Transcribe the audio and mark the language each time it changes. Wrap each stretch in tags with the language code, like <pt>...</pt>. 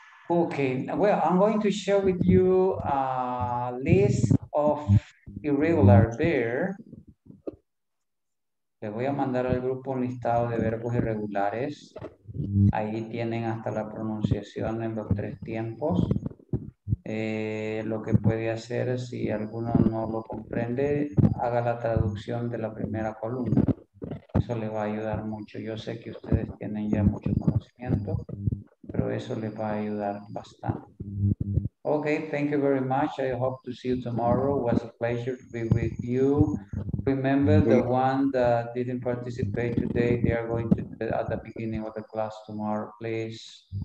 <en>Okay, well, I'm going to share with you a list of irregular verbs.</en> <es>Les voy a mandar al grupo un listado de verbos irregulares. Ahí tienen hasta la pronunciación en los tres tiempos. Lo que puede hacer, si alguno no lo comprende, haga la traducción de la primera columna. Eso le va a ayudar mucho. Yo sé que ustedes tienen ya mucho conocimiento, pero eso les va a ayudar bastante.</es> <en>Okay, thank you very much. I hope to see you tomorrow. It was a pleasure to be with you. Remember, the one that didn't participate today, they are going to be at the beginning of the class tomorrow, please.</en>